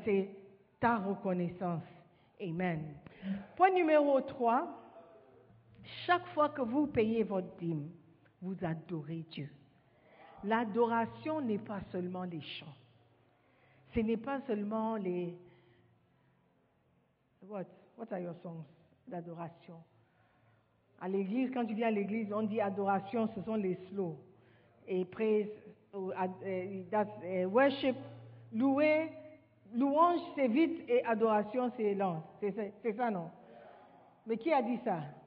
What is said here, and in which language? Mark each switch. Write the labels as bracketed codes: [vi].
[fr] C'est ta reconnaissance. Amen. Point numéro 3. Chaque fois que vous payez votre dîme, vous adorez Dieu. L'adoration n'est pas seulement les chants. Ce n'est pas seulement les... [en] What are your songs d'adoration? [fr] À l'église, quand tu viens à l'église, on dit adoration, ce sont les slow. Et praise, worship, louer, louange, c'est vite, et adoration, c'est lent. C'est ça, non? Mais qui a dit ça?